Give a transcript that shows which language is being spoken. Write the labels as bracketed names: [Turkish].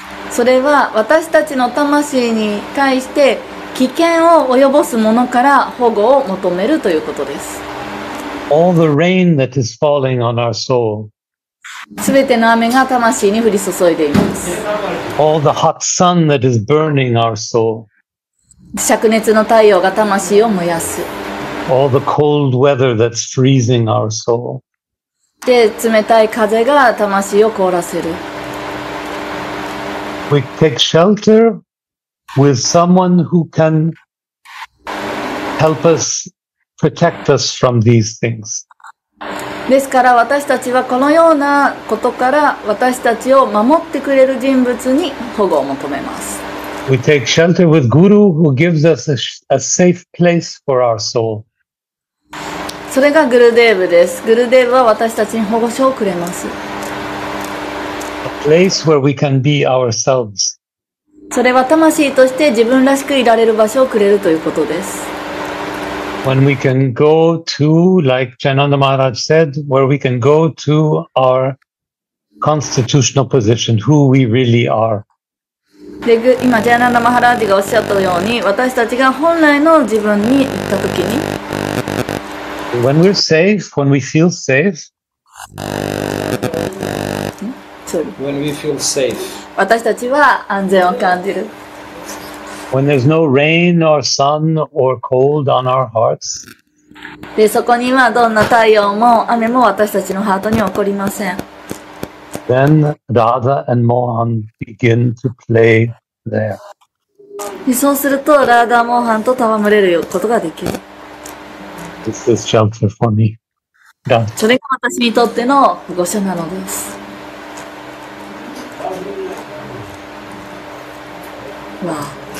[Japanese] それは私たちの魂に対して危険を及ぼすものから保護を求めるということです。 [English] All the rain that is falling on our soul. [Japanese] すべての雨が魂に降り注いでいます。 [English] All the hot sun that is burning our soul. [Japanese] 灼熱の太陽が魂を燃やす。 [English] All the cold weather that's freezing our soul. [Japanese] で、冷たい風が魂を凍らせる。 [English] We take shelter with someone who can help us, protect us from these things. [Japanese] ですから私たちはこのようなことから私たちを守ってくれる人物に保護を求めます。 [English] We take shelter with Guru who gives us a safe place for our soul. [Japanese] それがグルデーブです。グルデーブは私たちに保護所をくれます。 [English] A place where we can be ourselves. [Japanese] それは魂として自分らしくいられる場所をくれるということです。 [English] When we can go to, like Jainanda Maharaj said, where we can go to our constitutional position, who we really are. [Japanese] で、今 Jainanda Maharaj がおっしゃったように、私たちが本来の自分に行ったときに。 [English] When we're safe, when we feel safe. When we feel safe. [Japanese] 私たちは安全を感じる。 [English] When there's no rain or sun or cold on our hearts. [Japanese] で、そこにはどんな太陽も雨も私たちのハートに起こりません。 [English] Then Radha and Mohan begin to play there. [Japanese] で、そうするとラーダーモーハンと戯れることができる。 [English] This is shelter for me. [Japanese] それが私にとっての保護所なのです。わあ。